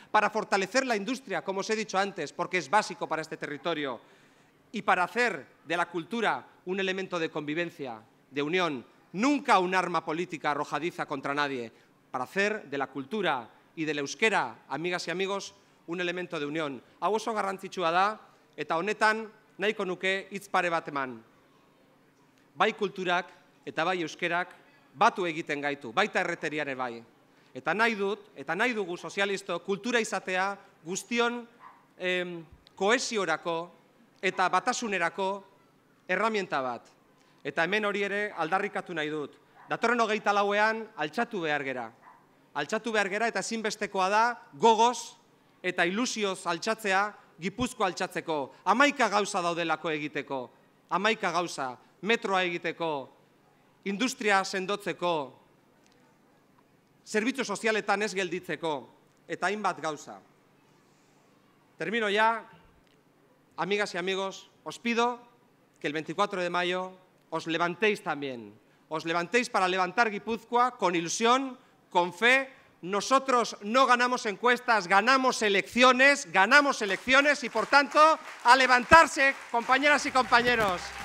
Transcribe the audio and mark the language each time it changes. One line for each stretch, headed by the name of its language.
Spanish: Para fortalecer la industria, como os he dicho antes, porque es básico para este territorio. Y para hacer de la cultura un elemento de convivencia, de unión. Nunca un arma política arrojadiza contra nadie. Para hacer de la cultura y de la euskera, amigas y amigos, un elemento de unión.
Basque: Hau oso garrantzitsua da, eta honetan nahiko nuke hitz pare bat eman. Bai kulturak eta bai euskerak batu egiten gaitu, baita erreteriare bai. Eta nahi dut, eta nahi dugu sozialisto, kultura izatea guztion kohesiorako eta batasunerako erramienta bat. Eta hemen hori ere aldarrikatu nahi dut. Datorren 24ean altxatu behar gera. Altxatu behar gera eta ezinbestekoa da gogoz eta ilusioz altxatzea Gipuzko altxatzeko. 11 gauza daudelako egiteko. 11 gauza. Metroa egiteko. Industria sendotzeko. Zerbitzu sozialetan ez gelditzeko. Eta hainbat gauza.
Spanish: Termino ya. Amigas y amigos, os pido que el 24 de mayo os levantéis también. Os levantéis para levantar Guipúzcoa con ilusión, con fe. Nosotros no ganamos encuestas, ganamos elecciones y, por tanto, a levantarse, compañeras y compañeros.